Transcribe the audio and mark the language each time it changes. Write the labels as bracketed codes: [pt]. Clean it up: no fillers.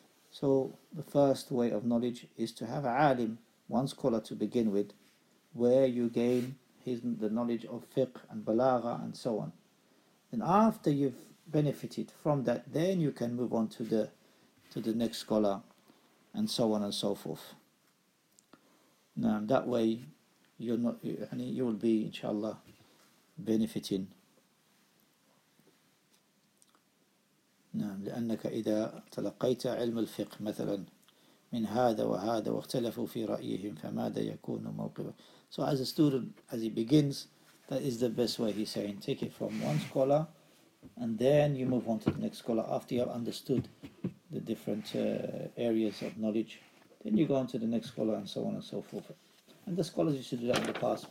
[en] So the first way of knowledge is to have a alim, one scholar to begin with, where you gain the knowledge of fiqh and balagha and so on. And after you've benefited from that, then you can move on to the next scholar, and so on and so forth. Now that way, you will be, inshallah, benefiting. [ar] نعم لأنك إذا تلقيت علم الفقه مثلا من هذا وهذا واختلفوا في رأيهم فماذا يكون موقفه. [en] So as a student, as he begins, that is the best way, he's saying. Take it from one scholar and then you move on to the next scholar after you have understood the different areas of knowledge. Then you go on to the next scholar and so on and so forth. And the scholars used to do that in the past.